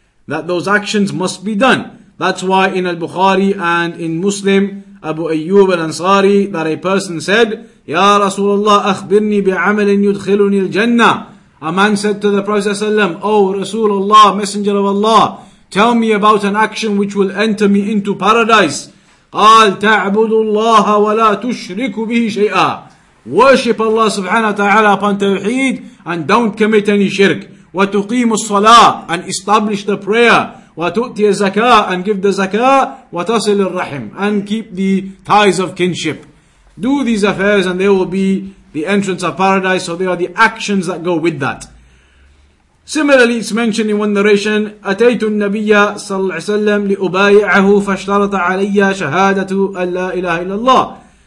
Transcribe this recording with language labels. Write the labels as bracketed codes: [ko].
[en] That those actions must be done. That's why in Al-Bukhari and in Muslim, Abu Ayyub al-Ansari, that a person said, [ar] Ya Rasulullah, akhbirni bi'amalin yudkhiluni al-jannah. [en] A man said to the Prophet ﷺ, Oh Rasulullah, Messenger of Allah, tell me about an action which will enter me into paradise. [ar] قال تعبد الله ولا تشرك به شيئا. [en] Worship Allah subhanahu wa ta'ala upon tawheed, and don't commit any shirk. [ar] وتقيم الصلاة, [en] and establish the prayer. [ar] وتؤتي الزكاة, [en] and give the zakah. [ar] وتصل الرحم, [en] and keep the ties of kinship. Do these affairs and they will be the entrance of paradise. So they are the actions that go with that. Similarly, it's mentioned in one narration, [ar] أتيت النبي صلى الله عليه وسلم لأبايعه فاشترط علي شهادة أن لا إله إلا الله.